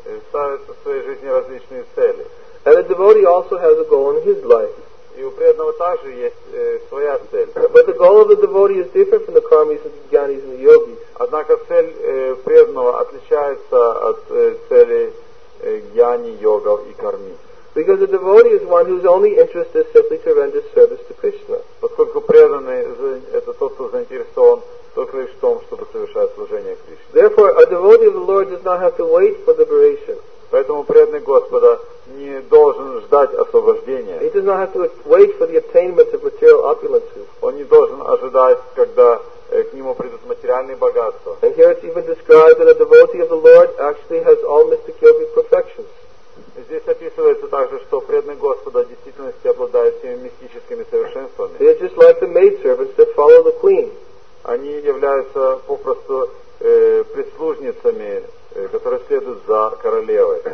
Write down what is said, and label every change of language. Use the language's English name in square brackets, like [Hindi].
[Russian] Ставят в своей жизни различные цели. [English] And a devotee also has a goal in his life. [Russian] И у преданного также есть своя цель. [English] But the goal of the devotee is different from the karmis and the gyanis and the yogis. [Russian] Однако цель преданного отличается от цели гьяни, йогов и карми. [English] Because a devotee is one whose only interest is simply to render service to Krishna. [Russian] Поскольку преданный это тот, кто заинтересован только лишь в том, чтобы совершать служение Кришне. [English] Therefore, a devotee of the Lord does not have to wait for liberation. [Russian] Поэтому преданный Господа не должен ждать освобождения. [English] He does not have to wait for the attainment of material opulences. [Russian] Он не должен ожидать, когда к нему придут материальные богатства. [English] And here it's even described that a devotee of the Lord actually has all mystic yogic perfections. [Russian] Здесь описывается также, что преданный Господа в действительности обладает всеми мистическими совершенствами. [English] They are just like the maid servants that follow the queen. [Russian] Они являются попросту прислужницами, которые следуют за королевой.